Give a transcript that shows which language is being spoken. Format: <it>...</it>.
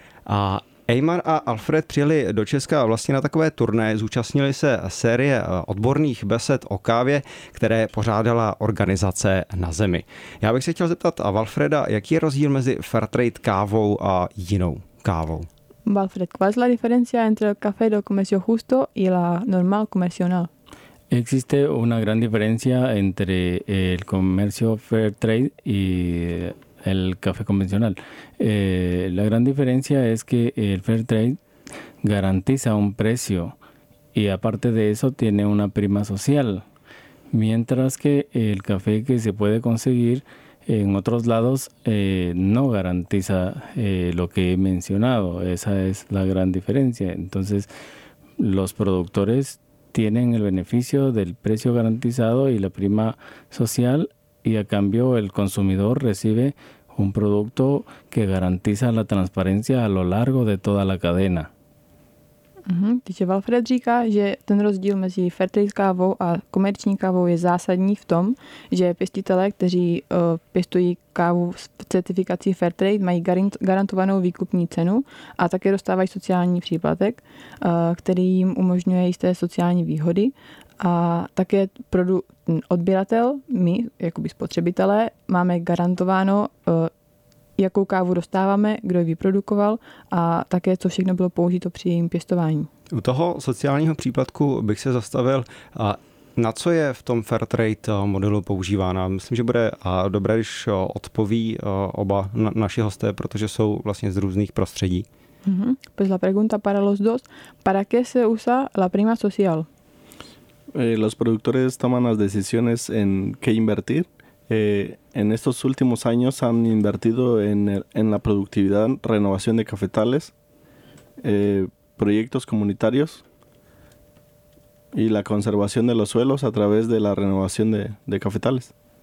<cs>A Eyamar a Alfred přijeli do Česka vlastně na takové turné. Zúčastnili se série odborných besed o kávě, které pořádala organizace Na zemi. Já bych se chtěl zeptat a Valfreda, jaký je rozdíl mezi fairtrade kávou a jinou kávou?</cs> <es>Valfred, ¿cuál es la diferencia entre el café de comercio justo y la normal comercial? Existe una gran diferencia entre el comercio fair trade y el café convencional. La gran diferencia es que el fair trade garantiza un precio y aparte de eso tiene una prima social, mientras que el café que se puede conseguir en otros lados no garantiza lo que he mencionado. Esa es la gran diferencia. Entonces, los productores tienen el beneficio del precio garantizado y la prima social, y a cambio el consumidor recibe un producto que garantiza la transparencia a lo largo de toda la cadena.</es> <cs>Takže Valfred říká, že ten rozdíl mezi fairtrade kávou a komerční kávou je zásadní v tom, že pěstitelé, kteří pěstují kávu s certifikací fairtrade, mají garantovanou výkupní cenu a také dostávají sociální příplatek, který jim umožňuje jisté sociální výhody. A také odběratel, my, jakoby spotřebitelé, máme garantováno, jakou kávu dostáváme, kdo ji vyprodukoval a také, co všechno bylo použito při jejím pěstování. U toho sociálního příplatku bych se zastavil, na co je v tom Fairtrade modelu používána. Myslím, že bude dobré, když odpoví oba naši hosté, protože jsou vlastně z různých prostředí. Mm-hmm.</cs> <es>Pues la pregunta para los dos. ¿Para qué se usa la prima social? Los productores toman las decisiones en qué invertir. En estos últimos años han invertido en la productividad, renovación de cafetales, proyectos comunitarios y la conservación de los suelos a través de la renovación de cafetales.</es>